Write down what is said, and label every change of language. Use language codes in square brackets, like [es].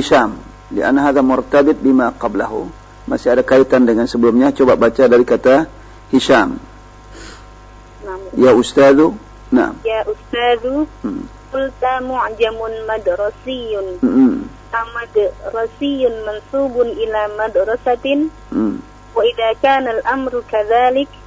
[ar] هشام لأن هذا مرتبط بما قبله [id] masih ada kaitan dengan sebelumnya. Coba baca dari kata Hisham. [ar] Ya Ustadu. نعم يا أستاذ قلت معجم مدرسي مدرسي منصوب إلى مدرسة وإذا كان الأمر كذلك